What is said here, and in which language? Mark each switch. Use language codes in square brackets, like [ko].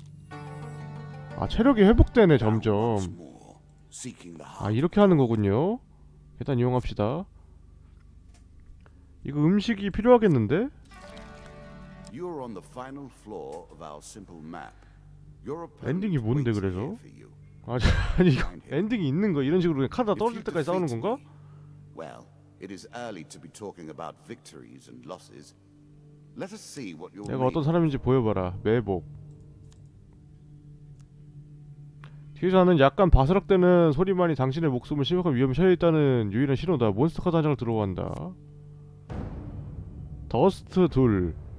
[ko] 아, 체력이 회복되네 점점. 아, 이렇게 하는 거군요. 일단 이용합시다. 이거 음식이 필요하겠는데? [en] You're on the final floor of our simple map. [ko] 엔딩이 뭔데 그래서? 아, 아니 이거 엔딩이 있는 거 이런 식으로 그냥 카드가 떨어질 때까지 싸우는 건가? [en] Well, it is early to be talking about victories and losses. Let us see what you're. [ko] 내가 어떤 사람인지 보여봐라. 매복. 기사는 약간 바스락대는 소리만이 당신의 목숨을 심각한 위험에 처해 있다는 유일한 신호다. 몬스터 카드 한 장을 들어온다. 더스트 둘.